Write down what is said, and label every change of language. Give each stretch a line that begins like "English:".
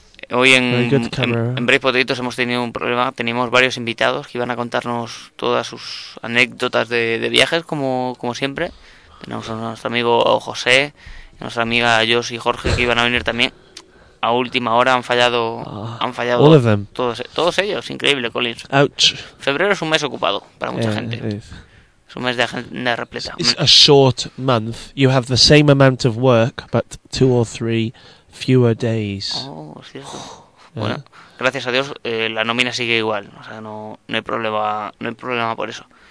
Spanish: Hoy en Brave Potatoes hemos tenido un problema. Teníamos varios invitados que iban a contarnos todas sus anécdotas de viajes, como siempre. Tenemos a nuestro amigo José, a nuestra amiga Josh y Jorge, que iban a venir también. A última hora han fallado
English: all of them.
Spanish: Todos ellos, increíble, Collins.
English: Ouch.
Spanish: Febrero es un mes ocupado para mucha gente. Es un mes de agenda repleta.
English: It's a short month. You have the same amount of work, but 2 or 3 fewer days.
Spanish: Oh, es cierto. Bueno, gracias a Dios, la nómina sigue igual. O sea, no hay problema por eso.